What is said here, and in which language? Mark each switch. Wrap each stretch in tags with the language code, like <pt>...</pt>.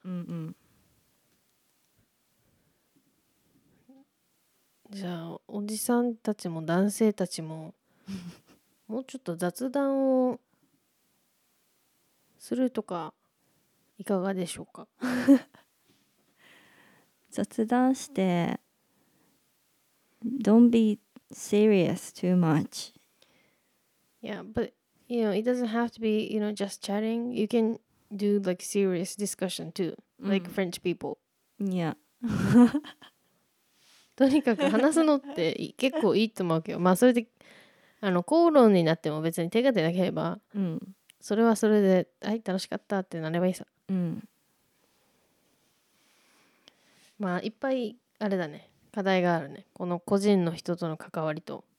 <ja>うんうん。じゃあおじさんたちも男性たちももうちょっと雑談をするとかいかがでしょうか。雑談して</ja> <en>Don't be serious too much. Yeah, but you know, it doesn't have to be, you know, just chatting. You can do like serious discussion too, like French people. Yeah.</en> <ja>とにかく話すのって結構いいと思うけど、まあそれで口論になっても別に手が出なければ、うん、それはそれで、はい、楽しかったってなればいいさ、うん、まあいっぱいあれだね、課題があるね、この個人の人との関わりと、</ja>